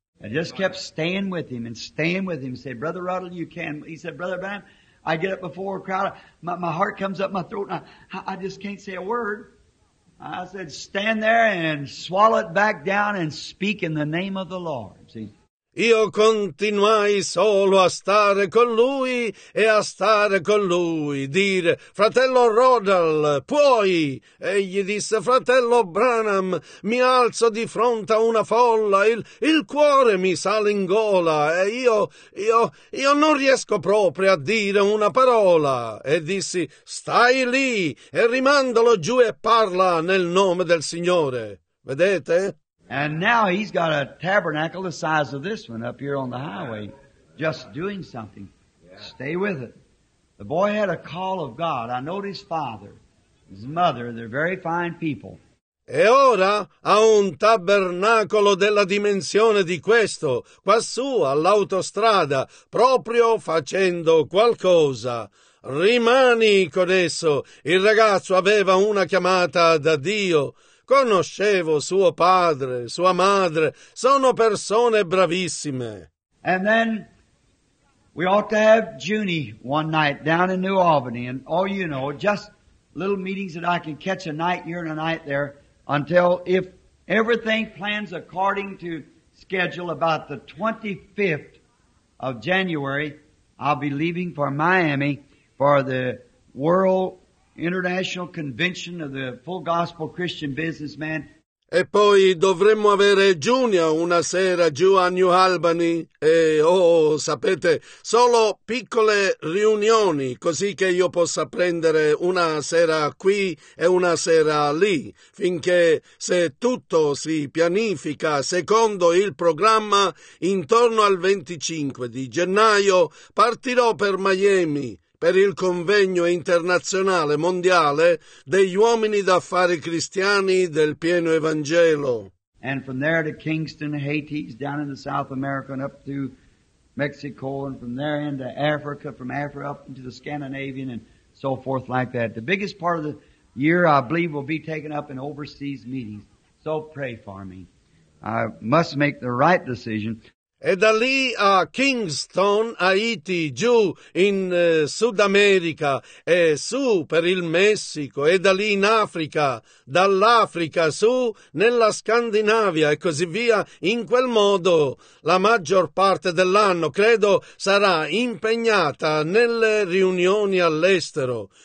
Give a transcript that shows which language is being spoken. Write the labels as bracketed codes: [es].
[en] I just kept staying with him and staying with him. Said, Brother Ruddle, you can. He said, Brother Bam, I get up before a crowd. My heart comes up my throat. And I just can't say a word. I said, stand there and swallow it back down and speak in the name of the Lord. See? [it] Io continuai solo a stare con lui e a stare con lui, dire, fratello Rodal, puoi? Egli disse, fratello Branham, mi alzo di fronte a una folla, il cuore mi sale in gola e io non riesco proprio a dire una parola. E dissi, stai lì e rimandalo giù e parla nel nome del Signore. Vedete? [en] And now he's got a tabernacle the size of this one up here on the highway, just doing something. Yeah. Stay with it. The boy had a call of God. I know his father, his mother, they're very fine people. [it] E ora ha un tabernacolo della dimensione di questo, quassù all'autostrada, proprio facendo qualcosa. Rimani con esso. Il ragazzo aveva una chiamata da Dio. Conoscevo suo padre, sua madre, sono persone bravissime. [en] And then we ought to have Junie one night down in New Albany, and oh, you know, just little meetings that I can catch a night here and a night there until if everything plans according to schedule about the 25th of January, I'll be leaving for Miami for the World International Convention of the Full Gospel Christian Businessman. [it] E poi dovremmo avere Junia una sera giù a New Albany e, oh, sapete, solo piccole riunioni così che io possa prendere una sera qui e una sera lì, finché se tutto si pianifica secondo il programma, intorno al 25 di gennaio partirò per Miami per il convegno internazionale mondiale degli uomini d'affari cristiani del pieno evangelo. [en] And from there to Kingston, Haiti, down into South America and up through Mexico, and from there into Africa, from Africa up into the Scandinavian and so forth like that. The biggest part of the year, I believe, will be taken up in overseas meetings. So pray for me. I must make the right decision. [it] E da lì a Kingston, Haiti, giù in Sud America, e su per il Messico, e da lì in Africa, dall'Africa su nella Scandinavia e così via. In quel modo la maggior parte dell'anno, credo, sarà impegnata nelle riunioni all'estero.